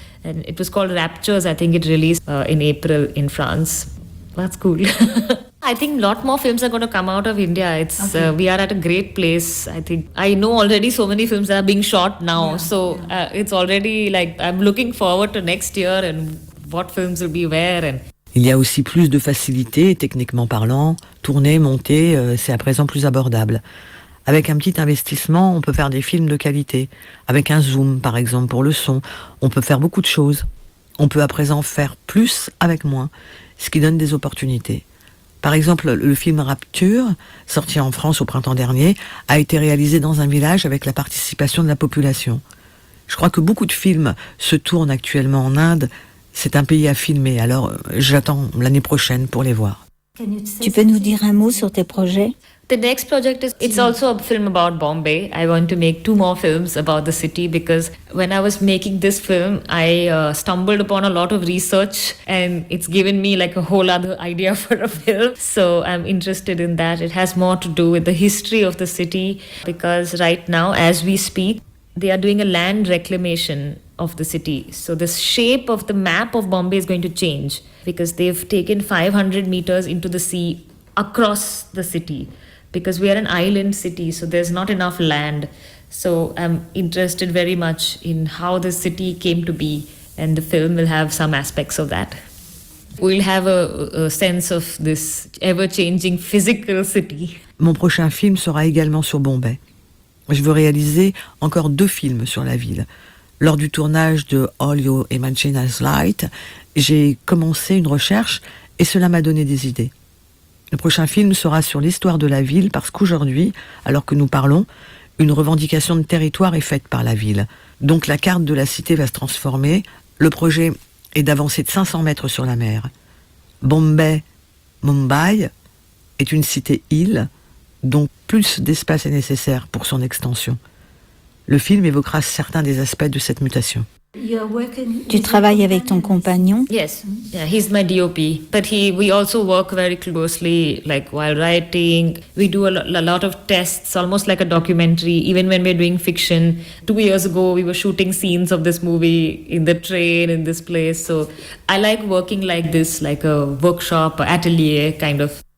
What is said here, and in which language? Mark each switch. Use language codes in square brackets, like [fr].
[en] And it was called Raptures. I think it released in April in France. That's cool. I think a lot more films are going to come out of India. It's okay. We are at a great place. I think I know already so many films are being shot now. It's already like I'm looking forward to next year and what films will be where. And [fr] il y a aussi plus de facilité techniquement parlant. Tourner, monter, c'est à présent plus abordable. Avec un petit investissement, on peut faire des films de qualité. Avec un zoom, par exemple, pour le son, on peut faire beaucoup de choses. On peut à présent faire plus avec moins, ce qui donne des opportunités. Par exemple, le film Rapture, sorti en France au printemps dernier, a été réalisé dans un village avec la participation de la population. Je crois que beaucoup de films se tournent actuellement en Inde. C'est un pays à filmer, alors j'attends l'année prochaine pour les voir. Tu peux nous dire un mot sur tes projets ? [en] The next project is, it's also a film about Bombay. I want to make 2 more films about the city because when I was making this film, I stumbled upon a lot of research and it's given me like a whole other idea for a film. So I'm interested in that. It has more to do with the history of the city because right now, as we speak, they are doing a land reclamation of the city. So the shape of the map of Bombay is going to change because they've taken 500 meters into the sea across the city. Because we are an island city, so there's not enough land. So I'm interested very much in how the city came to be, and the film will have some aspects of that. We'll have a sense of this ever-changing physical city. [fr] Mon prochain film sera également sur Bombay. Je veux réaliser encore 2 films sur la ville. Lors du tournage de All You Imagine Is Light, j'ai commencé une recherche et cela m'a donné des idées. Le prochain film sera sur l'histoire de la ville parce qu'aujourd'hui, alors que nous parlons, une revendication de territoire est faite par la ville. Donc la carte de la cité va se transformer. Le projet est d'avancer de 500 mètres sur la mer. Bombay, Mumbai, est une cité-île, donc plus d'espace est nécessaire pour son extension. Le film évoquera certains des aspects de cette mutation. Tu travailles avec ton compagnon? [en] Yes. Yeah, he's my DOP. But we also work very closely, like while writing. We do a lot of tests, almost like a documentary, even when we're doing fiction. 2 years ago, we were shooting scenes of this movie in the train, in this place. So I like working like this, like a workshop, atelier kind of.